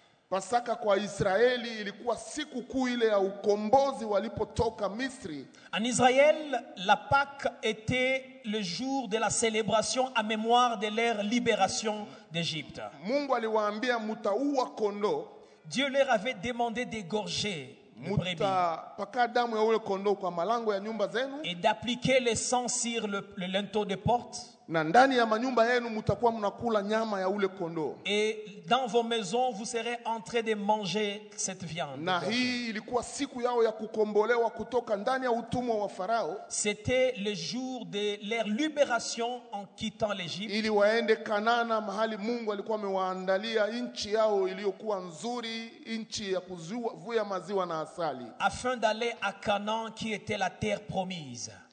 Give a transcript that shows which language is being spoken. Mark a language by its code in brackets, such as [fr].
[sw] Pasaka kwa Israeli ilikuwa siku kuu ile ya ukombozi walipotoka Misri. [fr] En Israël, la Pâque était le jour de la célébration à mémoire de leur libération d'Égypte. [sw] Mungu aliwaambia mutaua kondo. [fr] Dieu leur avait demandé d'égorger le brebis. [sw] Mutapaka damu ya ule kondo kwa malango ya nyumba zenu. [fr] Et d'appliquer le sang sur le linteau des portes. [sw] Na ndani ya manyumba yenu mutakuwa mnakula nyama ya ule kondo. [fr] Et dans vos maisons vous serez en train de manger cette viande. [sw] Na hii ilikuwa siku yao ya kukombolewa kutoka ndani ya utumwa wa Farao. [fr] C'était le jour de leur libération en quittant l'Égypte. [sw] Ili waende Kanana mahali Mungu alikuwa amewaandalia nchi yao iliyokuwa nzuri, nchi ya kuzuia maziwa na asali. [fr] Afin d'aller à Canaan qui était la terre promise.